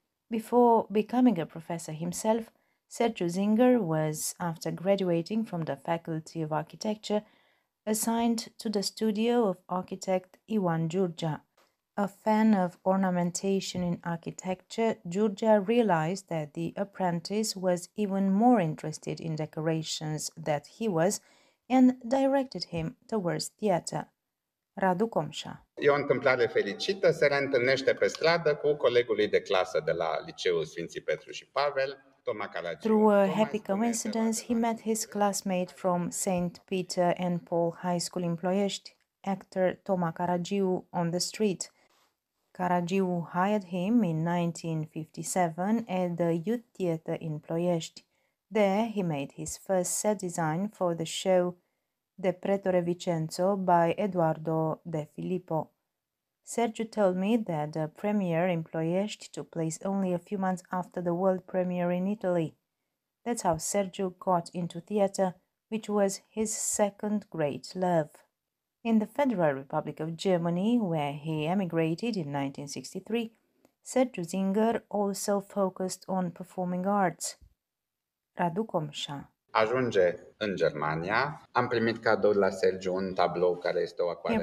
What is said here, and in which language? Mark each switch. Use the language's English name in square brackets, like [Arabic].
[English] Before becoming a professor himself, Sergio Zinga was, after graduating from the Faculty of Architecture, assigned to the studio of architect Ivan Giurgia. A fan of ornamentation in architecture, Giurgia realized that the apprentice was even more interested in decorations than he was and directed him towards theater. [Romanian] Radu Comșa. E o întâmplare fericită, se reîntâlnește pe stradă cu colegului de clasă de la Liceul Sfinții Petru și Pavel. [English] Through a happy coincidence, he met his classmate from St. Peter and Paul High School in Ploiești, actor Toma Caragiu, on the street. Caragiu hired him in 1957 at the Youth Theatre in Ploiești. There he made his first set design for the show De Pretore Vincenzo by Eduardo De Filippo. Sergio told me that the premiere in Ploiești took place only a few months after the world premiere in Italy. That's how Sergio got into theatre, which was his second great love. In the Federal Republic of Germany, where he emigrated in 1963, Sergio Zinger also focused on performing arts. [Romanian] Radu Comșa. Ajunge în Germania. Am primit cadou la Sergio un tablou care este o acvarelă.